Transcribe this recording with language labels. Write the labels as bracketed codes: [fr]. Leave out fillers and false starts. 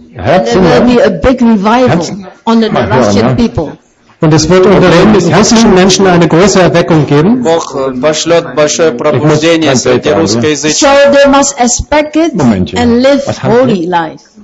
[en] There will be a big revival on the Russian people. [de] Und es wird unter den russischen Menschen eine große Erweckung geben. [en] So they must expect it and live holy life.